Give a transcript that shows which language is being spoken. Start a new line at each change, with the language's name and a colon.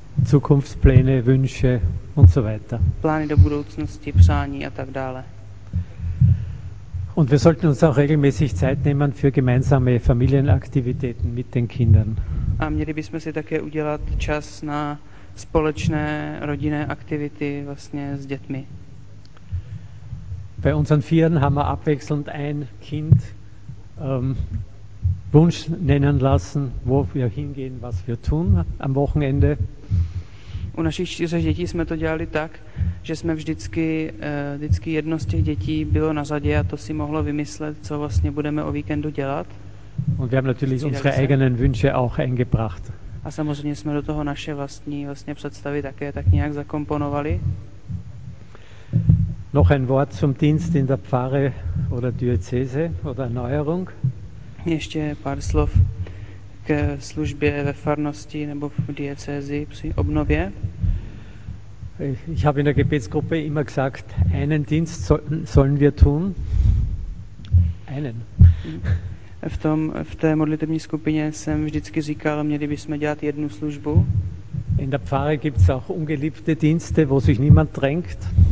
German: Zukunftspläne, Wünsche und so weiter.
Czech: Plány do budoucnosti, přání a tak dále.
German: Und wir sollten uns auch regelmäßig Zeit nehmen für gemeinsame Familienaktivitäten mit den Kindern.
Czech: A měli bychom si také udělat čas na společné rodinné aktivity vlastně s dětmi.
German: Bei unseren Vieren haben wir abwechselnd ein Kind Wunsch nennen lassen, wo wir hingehen, was wir tun am Wochenende.
Czech: U našich čtyř dětí jsme to dělali tak, že jsme vždycky jedno z těch dětí bylo na řadě a to si mohlo vymyslet, co vlastně budeme o víkendu dělat.
German: Und wir haben natürlich unsere eigenen Wünsche auch eingebracht.
Czech: A samozřejmě jsme do toho naše vlastně představy také tak nějak zakomponovali.
German: Noch ein Wort zum Dienst in der Pfarre oder Diözese oder Erneuerung.
Czech: Ještě pár slov k službě ve farnosti nebo v diecézi při obnově.
German: Ich habe in der Gebetsgruppe immer gesagt, einen Dienst sollen wir tun. Einen.
Czech: V té modlitební skupině jsem vždycky říkal, měli bychom dělat jednu službu.
German: In der Pfarre gibt es auch ungeliebte Dienste, wo sich niemand drängt.